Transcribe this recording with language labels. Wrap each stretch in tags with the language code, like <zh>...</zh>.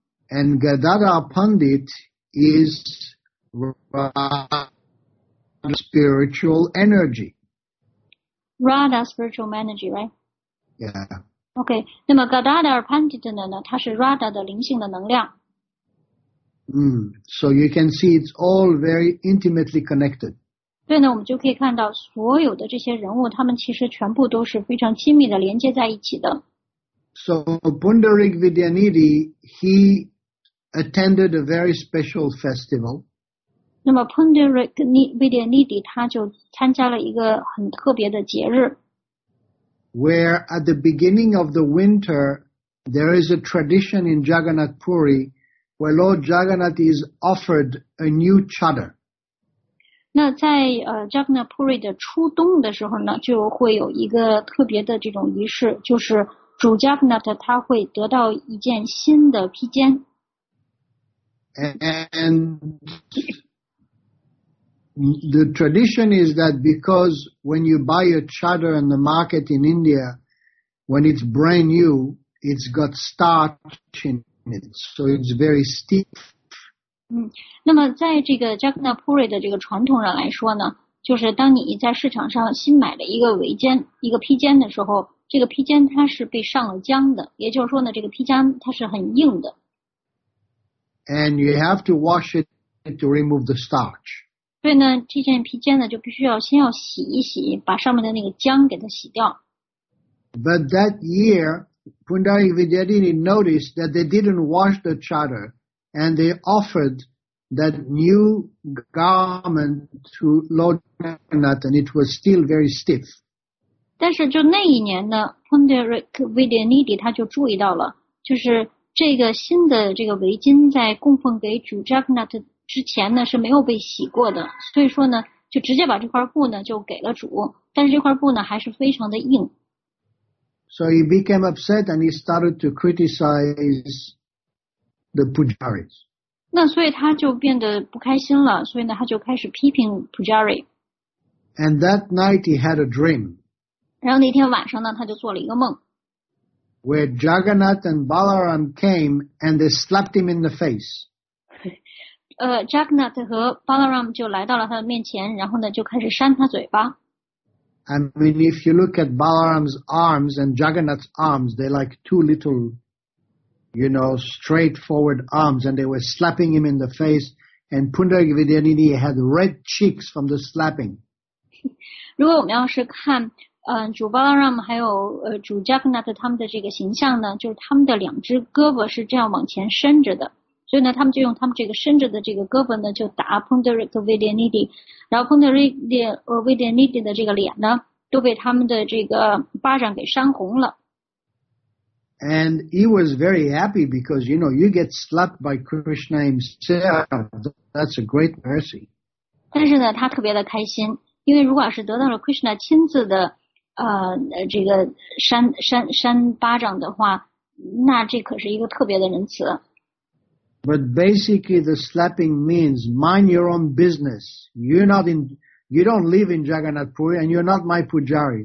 <en>And Gadadhar Pandit is Radha's spiritual energy. Radha's spiritual energy, right? Yeah.</en> <zh>Okay, 那么 Gadadhar Pandit 呢他是 Radha 的灵性的能量。</zh> <en>So you can see it's all very intimately connected.</en> <zh>对呢，我们就可以看到所有的这些人物，他们其实全部都是非常亲密的连接在一起的。</zh> <en>So Pundarik Vidyanidhi, he attended a very special festival.</en> <zh>那么 Pundarik Vidyanidhi 他就参加了一个很特别的节日。</zh> <en>Where at the beginning of the winter, there is a tradition in Jagannath Puri. Where Lord Jagannath is offered a new chadar.</en> <zh>那在Jagannath Puri 的初冬的时候呢，就会有一个特别的这种仪式，就是主 Jagannath 他会得到一件新的披肩。</zh> <en>And the tradition is that because when you buy a chadar in the market in India, when it's brand new, it's got starch in it. So it's very stiff.</en> <zh>那么在这个 Jagannath Puri 的这个传统上来说呢，就是当你在市场上新买了一个围肩、一个披肩的时候，这个披肩它是被上了浆的，也就是说呢，这个披肩它是很硬的。</zh> <en>And you have to wash it to remove the starch.</en> <zh>所以呢，这件披肩呢就必须要先要洗一洗，把上面的那个浆给它洗掉。</zh> <en>But that year. Pundarik Vidyanidhi noticed that they didn't wash the chadar and they offered that new garment to Lord Jagannath and it was still very stiff.</en> <zh>但是就那一年呢 Pundarik Vidyanidhi 他就注意到了就是这个新的这个围巾在供奉给主 Jagannath 之前呢是没有被洗过的所以说呢就直接把这块布呢就给了主但是这块布呢还是非常的硬。</zh> <en>So he became upset and he started to criticize the pujaris.</en> <zh>那所以他就变得不开心了所以呢他就开始批评 pujari.</zh> <en>And that night he had a dream.</en> <zh>然后那天晚上呢他就做了一个梦。</zh> <en>Where Jagannath and Balaram came and they slapped him in the face.</en> <zh>Jagannath 和 Balaram 就来到了他的面前然后呢就开始扇他嘴巴。</zh> <en>I mean, if you look at Balaram's arms and Jagannath's arms, they're like two little, you know, straightforward arms, and they were slapping him in the face, and Pundarik Vidyanini had red cheeks from the slapping.</en> <zh>如果我们要是看主 Balaram 还有主 Jagannath 他们的这个形象呢，就是他们的两只胳膊是这样往前伸着的，所以呢，他们就用他们这个伸着的这个胳膊呢，就打 Pundarik Vidyanidhi， 然后 Pundarik Vidyanidhi 的这个脸呢，都被他们的这个巴掌给扇红了。</zh> <en>And he was very happy because, you know, you get slapped by Krishna himself. That's a great mercy.</en> <zh>但是呢，他特别的开心，因为如果是得到了 Krishna 亲自的这个扇巴掌的话，那这可是一个特别的仁慈。</zh> <en>But basically, the slapping means mind your own business. You don't live in Jagannath Puri, and you're not my pujari.</en>